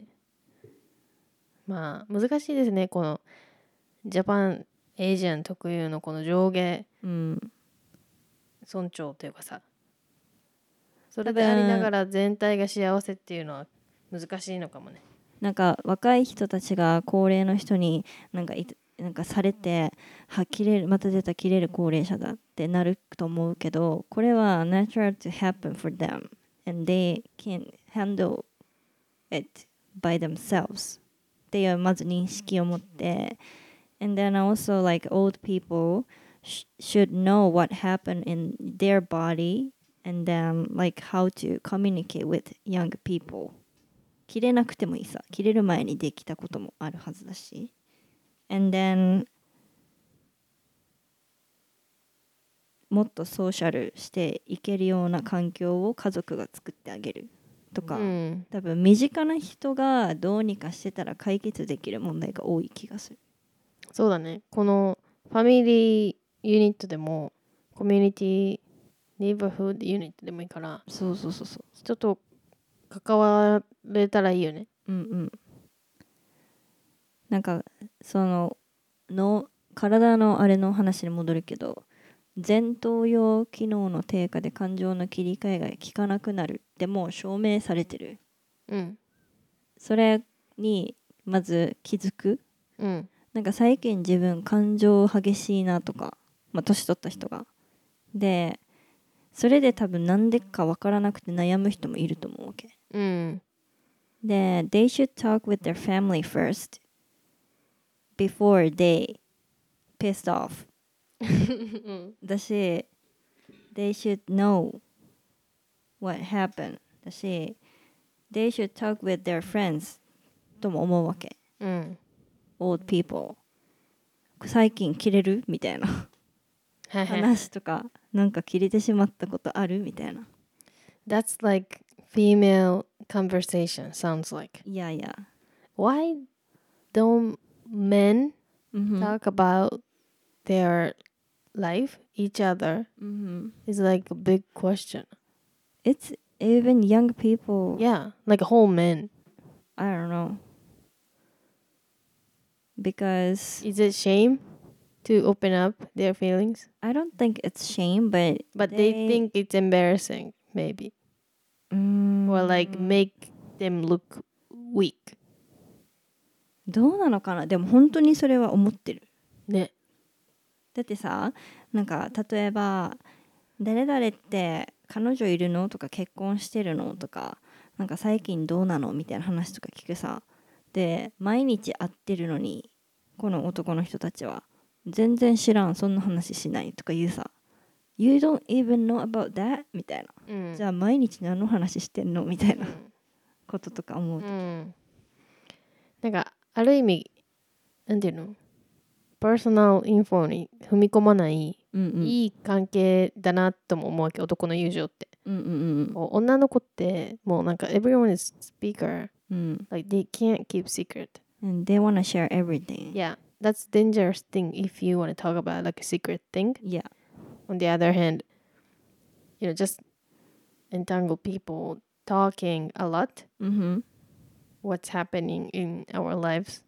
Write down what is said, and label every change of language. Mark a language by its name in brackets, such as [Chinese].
[Japanese] そうそうそう、まあ難しいですね、このジャパンアジアン特有のこの上下、うん、尊重というかさ、それでありながら全体が幸せっていうのは難しいのかもね。なんか若い人たちが高齢の人になんか、なんかされて、は、切れる、また出た、切れる高齢者だってなると思うけど、これは [English] natural to happen for them and they can handle it by themselves [Japanese] っていうまず認識を持って、 [English] and then also like old people should know what happened in their body and then like how to communicate with young people。 [Japanese] 切れなくてもいいさ、切れる前にできたこともあるはずだし。 [English] And then [Japanese] もっとソーシャルしていけるような環境を家族が作ってあげるとか、うん、多分身近な人がどうにかしてたら解決できる問題が多い気がする。そうだね、このファミリーユニットでもコミュニティネイバーフードユニットでもいいから、そうそうそうそう、人と関われたらいいよね。うんうん、なんかその、 の体のあれの話に戻るけど、前頭葉機能の低下で感情の切り替えが効かなくなるってもう証明されてる。うん、それにまず気づく。うん、なんか最近自分感情激しいなとか、まあ年取った人がで、それで多分なんでか分からなくて悩む人もいると思うわけ。うん、 [English] で they should talk with their family first before they pissed off 私 they should know what happened 私 they should talk with their friends [Japanese] とも思うわけ。うん、 old people 最近キレるみたいな話とか、なんか切れてしまったことあるみたいな。 [English] That's like female conversation sounds like. Yeah, yeah. Why don't men、mm-hmm. talk about their life, each other? Mm-hmm. It's like a big question. It's even young people. Yeah, like whole men. I don't know. Because... Is it shame? To open up their feelings? I don't think it's shame, but... But they think it's embarrassing, maybe.、 Mm-hmm. Or like make them look weak. [Japanese] どうなのかな？でも本当にそれは思ってる。ね。だってさ、なんか例えば、誰々って彼女いるの？とか結婚してるの？とか、なんか最近どうなの？みたいな話とか聞くさ。で、毎日会ってるのに、この男の人たちは。全然知らん、そんな話しないとか言うさ。 [English] You don't even know about that? [Japanese] みたいな。うん、じゃあ毎日何の話してんのみたいなこととか思うと、うん。なんか、ある意味、なんていうの？パーソナルインフォに踏み込まない、うんうん、いい関係だなとも思うわけ、男の友情って。うんうんうん、女の子って、もうなんか、 [English] everyone is speaker.、 [Japanese] うん、 [English] like, they can't keep secret. And they wanna share everything. Yeah. That's a dangerous thing if you want to talk about like a secret thing. Yeah. On the other hand, you know, just entangle people talking a lot. Mm-hmm. What's happening in our lives,